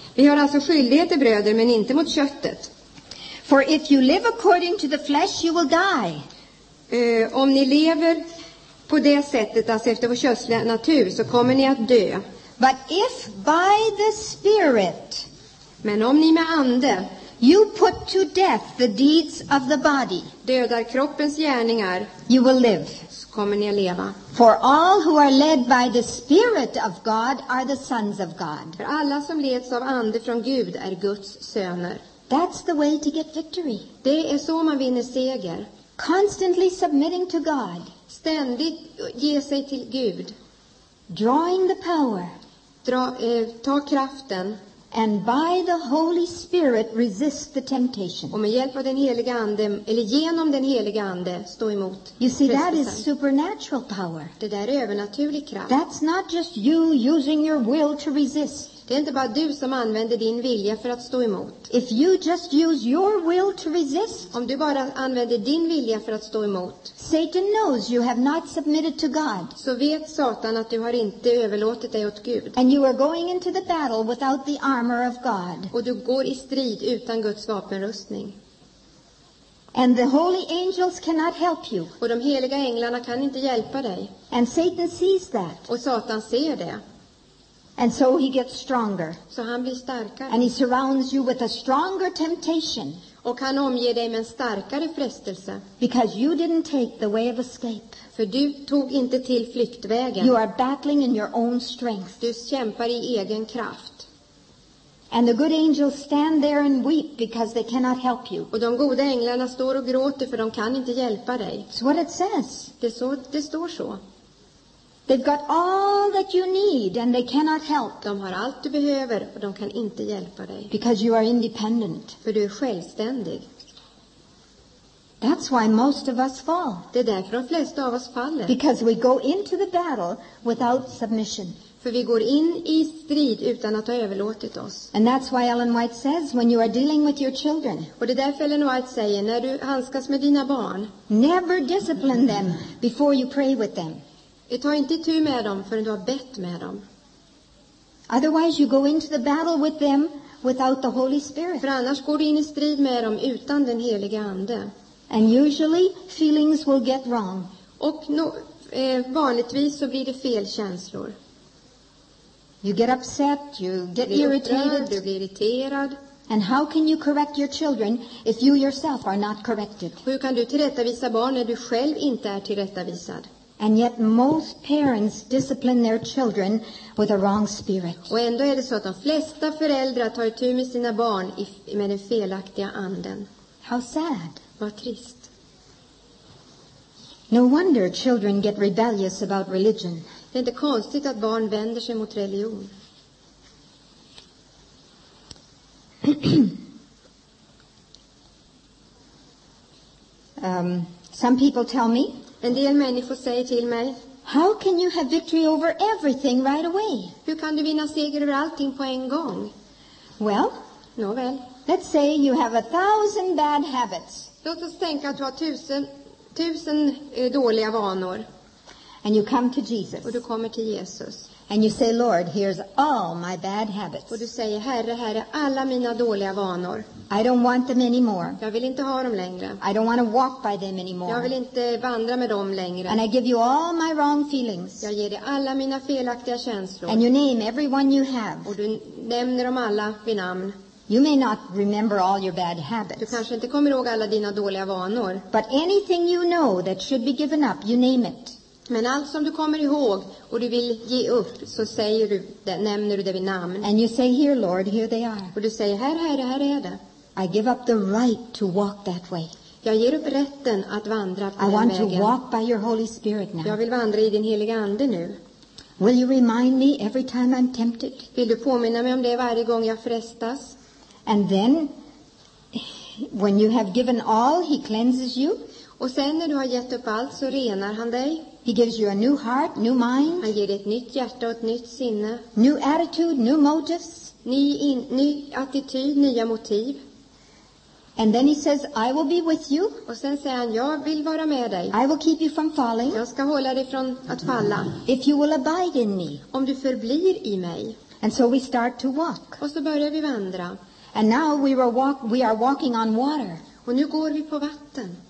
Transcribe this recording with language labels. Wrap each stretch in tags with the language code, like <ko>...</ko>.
<sv>Vi har alltså skyldigheter, bröder, men inte mot köttet.</sv> <en>For if you live according to the flesh, you will die.</en> <sv>Om ni lever på det sättet, alltså efter vår köttsliga natur, så kommer ni att dö.</sv> <en>But if by the Spirit...</en> <sv>Men om ni med ande,</sv> <en>you put to death the deeds of the body,</en> <sv>dödar kroppens gärningar,</sv> <en>you will live.</en> <sv>Så kommer ni att leva.</sv> <en>For all who are led by the Spirit of God are the sons of God.</en> <sv>För alla som leds av ande från Gud är Guds söner.</sv> <en>That's the way to get victory.</en> <sv>Det är så man vinner seger.</sv> <en>Constantly submitting to God.</en> <sv>Ständigt ge sig till Gud.</sv> <en>Drawing the power.</en> <sv>Ta kraften.</sv> <en>And by the Holy Spirit resist the temptation.</en> <sv>Och med hjälp av den heliga ande, eller genom den heliga ande, stå emot.</sv> <en>You see, that is supernatural power.</en> <sv>Det där är övernaturlig kraft.</sv> <en>That's not just you using your will to resist.</en> <sv>Det är inte bara du som använder din vilja för att stå emot.</sv> <en>If you just use your will to resist,</en> <sv>om du bara använder din vilja för att stå emot,</sv> <en>Satan knows you have not submitted to God.</en> <sv>Så vet Satan att du har inte överlåtit dig åt Gud.</sv> <en>And you are going into the battle without the armor of God.</en> <sv>Och du går i strid utan Guds vapenrustning.</sv> <en>And the holy angels cannot help you.</en> <sv>Och de heliga änglarna kan inte hjälpa dig.</sv> <en>And Satan sees that.</en> <sv>Och Satan ser det.</sv> <en>And so he gets stronger.</en> <sv>Så han blir starkare.</sv> <en>And he surrounds you with a stronger temptation.</en> <sv>Och han omger dig med en starkare frestelse.</sv> <en>Because you didn't take the way of escape.</en> <sv>För du tog inte till flyktvägen.</sv> <en>You are battling in your own strength.</en> <sv>Du kämpar i egen kraft.</sv> <en>And the good angels stand there and weep because they cannot help you.</en> <sv>Och de goda änglarna står och gråter för de kan inte hjälpa dig.</sv> <en>It's what it says.</en> <sv>Det står så.</sv> <en>They've got all that you need and they cannot help.</en> <sv>De har allt du behöver och de kan inte hjälpa dig.</sv> <en>Because you are independent.</en> <sv>För du är självständig.</sv> <en>That's why most of us fall.</en> <sv>Det är därför de flesta av oss faller.</sv> <en>Because we go into the battle without submission.</en> <sv>För vi går in i strid utan att ha överlåtit oss.</sv> <en>And that's why Ellen White says when you are dealing with your children.</en> <sv>Och det är därför Ellen White säger när du handskas med dina barn.</sv> <en>Never discipline them before you pray with them.</en> <sv>Ta inte itu med dem förrän du har bett med dem.</sv> <en>Otherwise you go into the battle with them without the Holy Spirit.</en> <sv>För annars går du in i strid med dem utan den heliga ande.</sv> <en>And usually feelings will get wrong.</en> <sv>Och vanligtvis så blir det fel känslor.</sv> <en>You get upset, you get irritated.</en> <sv>Du blir irriterad.</sv> <en>And how can you correct your children if you yourself are not corrected?</en> <sv>Hur kan du tillrättavisa barn när du själv inte är tillrättavisad?</sv> <en>And yet most parents discipline their children with a wrong spirit.</en> <sv>Och ändå är det så att de flesta föräldrar tar itu med sina barn med den felaktiga anden.</sv> <en>How sad.</en> <sv>Vad trist.</sv> <en>No wonder children get rebellious about religion.</en> <sv>Det är inte konstigt att barn vänder sig mot religion.</sv> <en>Some people tell me.</en> <sv>En del människor säger till mig.</sv> <en>How can you have victory over everything right away?</en> <sv>Hur kan du vinna seger över allting på en gång?</sv> <en>Well,</en> <sv>nåväl.</sv> <en>Let's say you have 1,000 bad habits.</en> <sv>Låt oss tänka att du har 1,000 dåliga vanor.</sv> <en>And you come to Jesus.</en> <sv>Och du kommer till Jesus.</sv> <en>And you say, Lord, here's all my bad habits.</en> <sv>Och du säger, Herre, här är alla mina dåliga vanor.</sv> <en>I don't want them anymore.</en> <sv>Jag vill inte ha dem längre.</sv> <en>I don't want to walk by them anymore.</en> <sv>Jag vill inte vandra med dem längre.</sv> <en>And I give you all my wrong feelings.</en> <sv>Jag ger dig alla mina felaktiga känslor.</sv> <en>And you name everyone you have.</en> <sv>Och du nämner dem alla vid namn.</sv> <en>You may not remember all your bad habits.</en> <sv>Du kanske inte kommer ihåg alla dina dåliga vanor.</sv> <en>But anything you know that should be given up, you name it.</en> <sv>Men allt som du kommer ihåg och du vill ge upp så säger du det, nämner du det vid namn.</sv> <en>And you say, here, Lord, here they are.</en> <sv>Och du säger, här är det.</sv> <en>I give up the right to walk that way.</en> <sv>Jag ger upp rätten att vandra på</sv> <en>I</en> <sv>den</sv> <en>want</en> <sv>vägen.</sv> <en>To walk by your Holy Spirit now.</en> <sv>Jag vill vandra i din heliga ande nu.</sv> <en>Will you remind me every time I'm tempted?</en> <sv>Vill du påminna mig om det varje gång jag frestas?</sv> <en>And then when you have given all, he cleanses you.</en> <sv>Och sen när du har gett upp allt så renar han dig.</sv> <en>He gives you a new heart, new mind.</en> <sv>Han ger dig ett nytt hjärta och ett nytt sinne.</sv> <en>New attitude, new motives.</en> <sv>Ny attityd, nya motiv.</sv> <en>And then he says, I will be with you.</en> <sv>Och sen säger han, jag vill vara med dig.</sv> <en>I will keep you from falling.</en> <sv>Jag ska hålla dig från att falla.</sv> <en>If you will abide in me.</en> <sv>Om du förblir i mig.</sv> <en>And so we start to walk.</en> <sv>Och så börjar vi vandra.</sv> <en>And now we are walking on water.</en> <sv>Och nu går vi på vatten.</sv>